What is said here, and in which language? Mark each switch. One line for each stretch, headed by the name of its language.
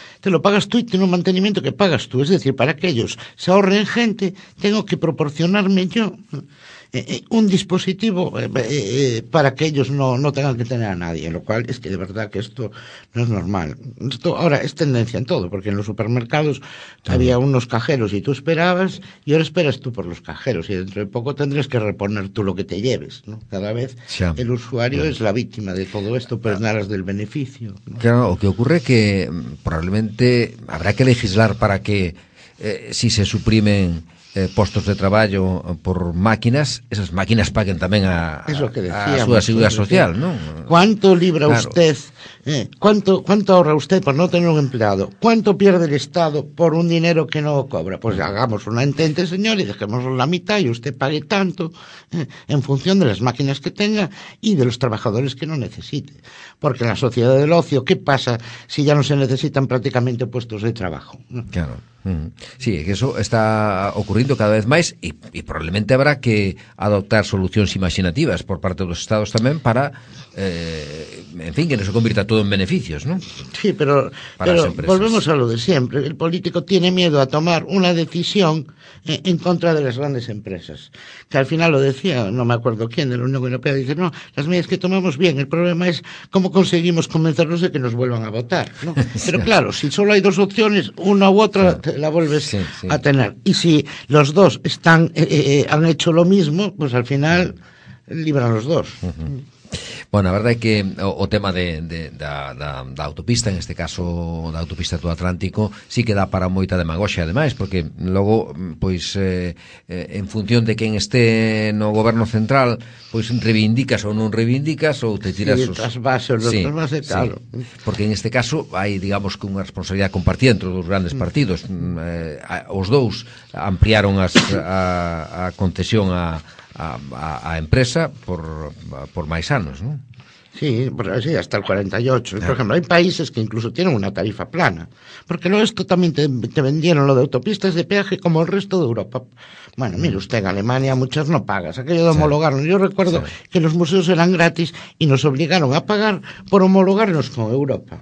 Spanish: Te lo pagas tú y tiene un mantenimiento que pagas tú, es decir, para que ellos se ahorren gente, tengo que proporcionarme yo un dispositivo para que ellos no tengan que tener a nadie, lo cual es que de verdad que esto no es normal. Esto ahora es tendencia en todo, porque en los supermercados había unos cajeros y tú esperabas, y ahora esperas tú por los cajeros, y dentro de poco tendrás que reponer tú lo que te lleves, ¿no? Cada vez el usuario es la víctima de todo esto, pero nada es del beneficio, ¿no? Claro, lo que ocurre es que probablemente habrá que legislar para que si se suprimen
Galician: postos de traballo por máquinas, esas máquinas paguen tamén a súa
Spanish: seguridad social, ¿no? ¿Cuánto libra usted? ¿Cuánto ahorra usted por no tener un empleado? ¿Cuánto pierde el Estado por un dinero que no cobra? Pues hagamos una entente, señor, y dejemos la mitad y usted pague tanto en función de las máquinas que tenga y de los trabajadores que no necesite. Porque en la sociedad del ocio, ¿qué pasa si ya no se necesitan prácticamente puestos de trabajo? Claro.
Galician: Sí, que eso está ocurriendo cada vez máis e probablemente habrá que adoptar solucións imaginativas por parte dos estados tamén para, en fin, que non se convirta todo todo en beneficios, ¿no?
Spanish: Sí, pero volvemos a lo de siempre. El político tiene miedo a tomar una decisión en contra de las grandes empresas. Que al final lo decía, no me acuerdo quién, de la Unión Europea, dice, no, las medidas que tomamos bien, el problema es cómo conseguimos convencerlos de que nos vuelvan a votar, ¿no? Pero claro, si solo hay dos opciones, una u otra la vuelves a tener. Y si los dos están han hecho lo mismo, pues al final libran los dos. Uh-huh.
Galician: Bueno, a verdade é que o tema da autopista, en este caso da autopista do Atlántico, sí que dá para moita demagoxia, ademais, porque logo, pois, en función de quen este no goberno central, pois reivindicas ou non reivindicas, ou te tiras
Spanish: os... Sí, bases, sí, base, claro. Sí,
Galician: porque en este caso hai, digamos, que unha responsabilidade compartida entre os dos grandes partidos. Os dous ampliaron a concesión a empresa por máis anos, non?
Spanish: Sí, sí, hasta el 48. Por ejemplo, hay países que incluso tienen una tarifa plana. Porque lo esto también te vendieron lo de autopistas de peaje como el resto de Europa. Bueno, mire usted, en Alemania muchas no pagas. Aquello de homologarlo. Yo recuerdo que los museos eran gratis y nos obligaron a pagar por homologarnos con Europa.